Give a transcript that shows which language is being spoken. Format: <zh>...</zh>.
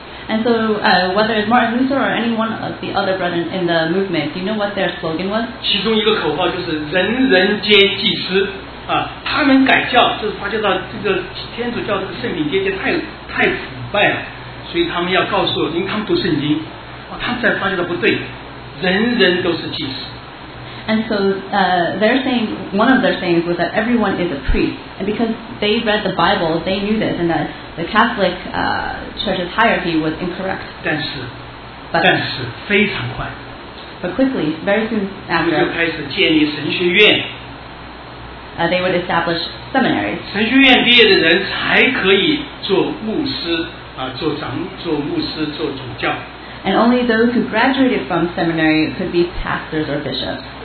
<en>And so whether it's Martin Luther or any one of the other brethren in the movement, do you know what their slogan was?</en> <zh>其中一个口号就是人人皆祭司。他们改教就是发觉到这个天主教这个圣品阶级太腐败了，所以他们要告诉，因为他们读圣经，他们才发觉到不对，人人都是祭司。</zh> <en>And so they're saying one of their sayings was that everyone is a priest, and because they read the Bible, they knew this, and that the Catholic church's hierarchy was incorrect.</en> <zh>但是非常快。</zh> <en>But quickly, very soon after,</en> <zh>他们就开始建立神学院。</zh> <en>They would establish seminaries.</en> <zh>神学院毕业的人才可以做牧师，做长，做牧师，做主教。</zh> <en>And only those who graduated from seminary could be pastors or bishops.</en>